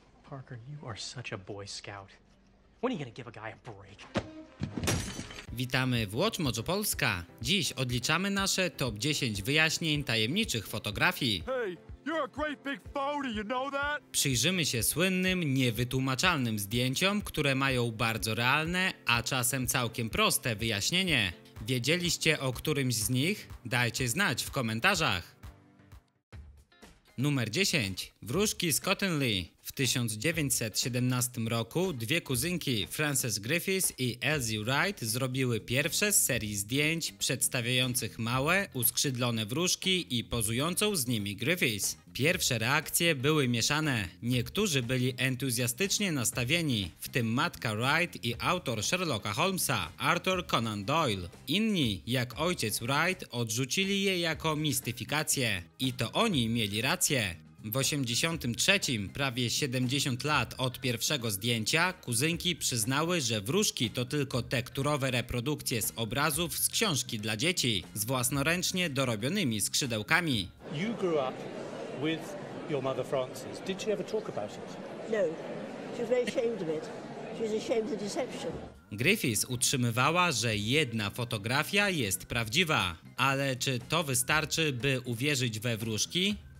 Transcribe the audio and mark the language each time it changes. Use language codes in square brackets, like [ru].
[en] Parker, you are such a boy scout. When are you gonna give a guy a break? [pl] Witamy w Watch Mojo Polska. Dziś odliczamy nasze top 10 wyjaśnień tajemniczych fotografii. [en] Hey, you're a great big photo, you know that? [pl] Przyjrzymy się słynnym, niewytłumaczalnym zdjęciom, które mają bardzo realne, a czasem całkiem proste wyjaśnienie. Wiedzieliście o którymś z nich? Dajcie znać w komentarzach. Numer 10. Wróżki z Cottonley. W 1917 roku dwie kuzynki, Frances Griffiths i Elsie Wright, zrobiły pierwsze z serii zdjęć przedstawiających małe, uskrzydlone wróżki i pozującą z nimi Griffiths. Pierwsze reakcje były mieszane. Niektórzy byli entuzjastycznie nastawieni, w tym matka Wright i autor Sherlocka Holmesa, Arthur Conan Doyle. Inni, jak ojciec Wright, odrzucili je jako mistyfikację. I to oni mieli rację. W 83, prawie 70 lat od pierwszego zdjęcia, kuzynki przyznały, że wróżki to tylko tekturowe reprodukcje z obrazów z książki dla dzieci, z własnoręcznie dorobionymi skrzydełkami. [en] You grew up with your mother Frances. Did she ever talk about it? No. She was very ashamed of it. She was ashamed of the deception. [pl] Griffiths utrzymywała, że jedna fotografia jest prawdziwa, ale czy to wystarczy, by uwierzyć we wróżki?